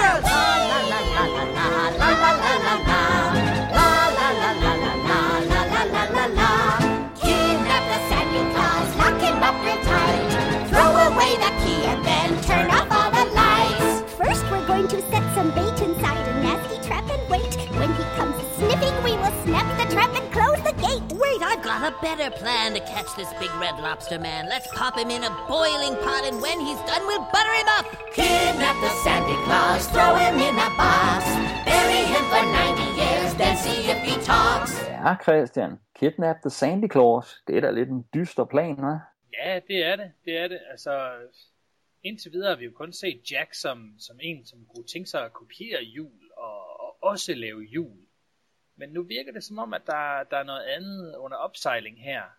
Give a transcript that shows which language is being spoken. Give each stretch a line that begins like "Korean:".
English: La la la la la la la la la la la la la la la la la la la la la. Kidnap the Sandy Claws, lock him up real tight. Throw away the key and then turn off all the lights. First we're going to set some bait inside a nasty trap and wait. When he comes sniffing, we will snap the trap and close the gate. Wait, I've got a better plan to catch this big red lobster man. Let's pop him in a boiling pot, and when he's done, we'll butter him up. Kidnap the Sandy Claws, throw him in a box. Bury him for 90 years, then see if he talks.
Danish: Ja,
English: Christian. Kidnap the Sandy Claws.
Danish: Det er da lidt en dyster plan, hva'? Ja, det er det. Det er det. Altså, indtil videre har vi jo kun set Jack som en, som kunne tænke sig at kopiere jul og også lave jul. Men nu virker det som om, at der er noget andet under opsejling her.